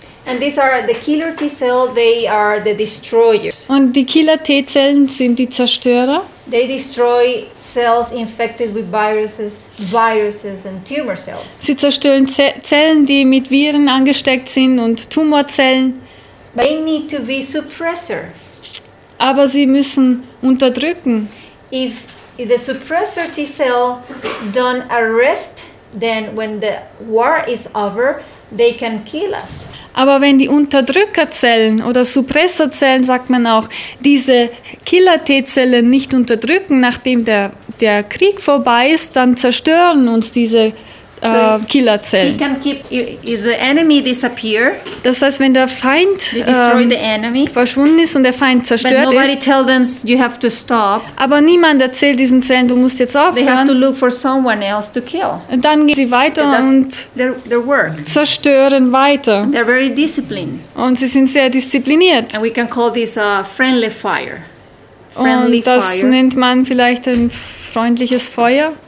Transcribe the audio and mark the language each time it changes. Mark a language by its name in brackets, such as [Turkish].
[English] And these are the killer T-cells, they are the destroyers. [German] Und die Killer-T-Zellen sind die Zerstörer. [English] They destroy cells infected with viruses and tumor cells. [German] Sie zerstören Zellen, die mit Viren angesteckt sind, und Tumorzellen. [English] But they need to be suppressor. [German] Aber sie müssen unterdrücken. [English] If the suppressor T-cell don't arrest, then when the war is over, they can kill us. [German] Aber wenn die Unterdrückerzellen oder Suppressorzellen, sagt man auch, diese Killer-T-Zellen nicht unterdrücken, nachdem der Krieg vorbei ist, dann zerstören uns diese Killerzellen. [English] If the enemy disappear, [German] das heißt, wenn der Feind [English] enemy, [German] verschwunden ist und der Feind zerstört [English] but nobody [German] ist, [English] tell them you have to stop, [German] aber niemand erzählt diesen Zellen, du musst jetzt aufhören, [English] they have to look for someone else to kill. [German] Und dann gehen sie weiter und [English] their work. [German] Zerstören weiter. [English] They're very disciplined. [German] Und sie sind sehr diszipliniert. [English] And we can call this a friendly fire. [German] Friendly und das fire. Nennt man vielleicht ein freundliches Feuer.